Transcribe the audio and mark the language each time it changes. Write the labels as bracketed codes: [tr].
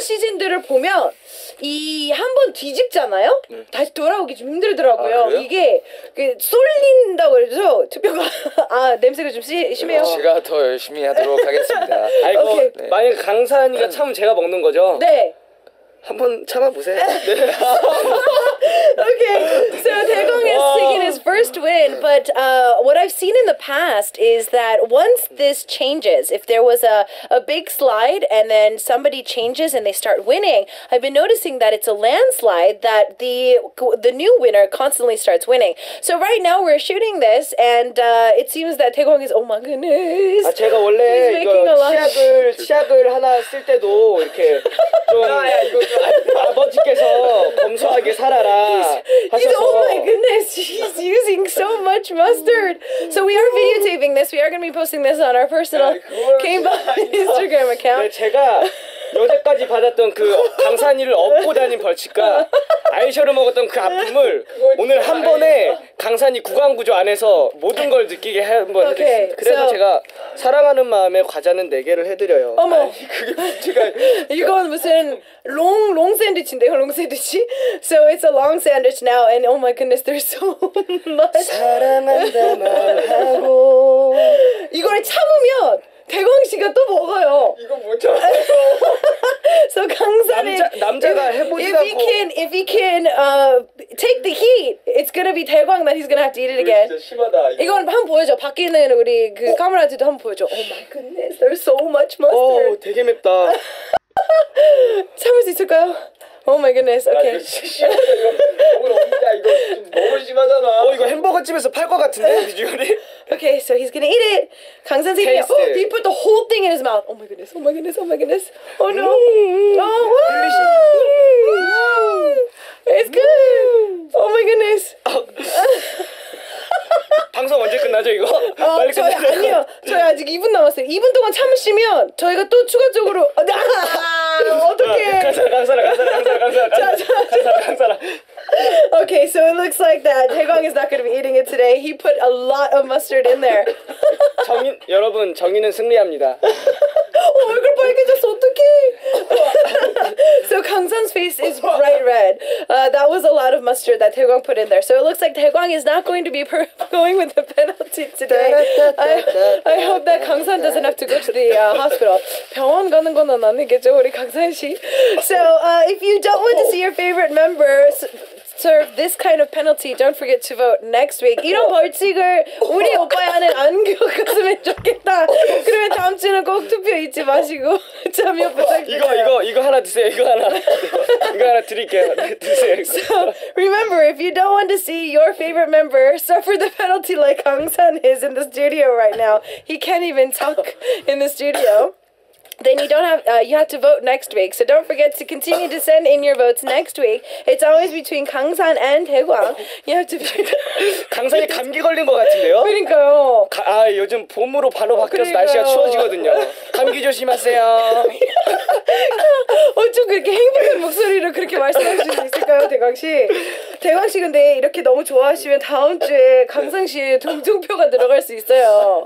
[ko] 시즌들을 보면 이 한 번 뒤집잖아요. 다시 돌아오기 좀 힘들더라고요. 아, 이게 그 쏠린다고 그러죠. 투표가 아 냄새가 좀 심해요. 제가 더 열심히 하도록 하겠습니다. 아이고 네. 만약 강사님이 참으면 제가 먹는 거죠. 네. 한번 참아보세요. 네. [en] Okay, so Daekwang is taking his first win, but what I've seen in the past is that once this changes, if there was a big slide and then somebody changes and they start winning, I've been noticing that it's a landslide that the new winner constantly starts winning. So right now we're shooting this, and it seems that Daekwang is, oh my goodness. [ko] 아, 제가 원래 치약을 하나 쓸 때도 이렇게 좀 아버지께서 검소하게 살아라 하셔서 [en] oh my goodness, he's using so much mustard. So we are videotaping this. We are going to be posting this on our personal K-pop Instagram account. [ko] 네, 제가 여태까지 받았던 그 강산이를 업고 다닌 벌칙과 아이셔를 먹었던 그 아픔을 오늘 한 번에 강산이 구강구조 안에서 모든 걸 느끼게 한번 okay. 해주세요. 그래서 so, 제가 사랑하는 마음에 과자는 네 개를 해드려요. 어머, 아니, 그게 제가 이건 무슨 long sandwich인데요, long sandwich. [en] So it's a long sandwich now, and oh my goodness, there's so much. [ko] 사랑한다 말하고 이거를 참으면. 대광 씨가 또 먹어요. 이거 못 참았어. [en] So 강산이 [ko] 남자가 해보시라고. [en] If he can take the heat, it's gonna be 대광 that he's gonna have to eat it again. [ko] 진짜 심하다. 이거 한번 보여줘. 밖에 있는 우리 그 카메라한테도 한번 보여줘. Oh my goodness, there's so much mustard. 오, 되게 맵다. 참을 수 있을까요? [en] Oh my goodness. Okay. [ko] 아, 이거 너무 심하잖아. 어, 이거 햄버거 집에서 팔 것 같은데 비주얼이. [en] Okay, so he's gonna eat it. 강산생이. Oh, he put the whole thing in his mouth. Oh my goodness. Oh my goodness. Oh my goodness. Oh no. Oh wow. It's good. Oh my goodness. [ko] 방송 언제 끝나죠 이거? 빨리 끝내세요. 아니요, 저희 아직 2분 남았어요. 2분 동안 참으시면 저희가 또 추가적으로 어떡해. 강산아. [en] Okay, so it looks like that Daekwang is not going to be eating it today. He put a lot of mustard in there. [ko] 정인, 여러분, 정인은 승리합니다. 어, 얼굴 빨개졌어, 어떡해. [en] So Kangsan's face is bright red. That was a lot of mustard that Daekwang put in there. So it looks like Daekwang is not going to be going with the penalty today. I hope that Kangsan doesn't have to go to the hospital. [ko] 병원 가는 건 안 아니겠죠, 우리 강산 씨. [en] So if you don't want to see your favorite members serve this kind of penalty, don't forget to vote next week. [ko] 이런 벌칙을 우리 오빠야는 안 겪었으면 좋겠다. 그러면 다음 주는 꼭 투표 잊지 마시고 참여 부탁드려요. 이거 하나 드세요. 이거 하나 드릴게요. 드세요. 이거. [en] So remember, if you don't want to see your favorite member suffer the penalty like Kang San is in the studio right now, he can't even talk in the studio. Then you don't have you have to vote next week. So don't forget to continue to send in your votes next week. It's always between Kangsan and Daekwang. You have to be [ko] 강산이 감기 걸린 것 같은데요? 그러니까요. 아 요즘 봄으로 바로 바뀌어서 날씨가 추워지거든요. 감기 조심하세요. 어쩜 그렇게 행복한 목소리로 그렇게 말씀하실 수 있을까요, 대광 씨? 대광 씨 근데 이렇게 너무 좋아하시면 다음 주에 강산 씨의 동정표가 들어갈 수 있어요.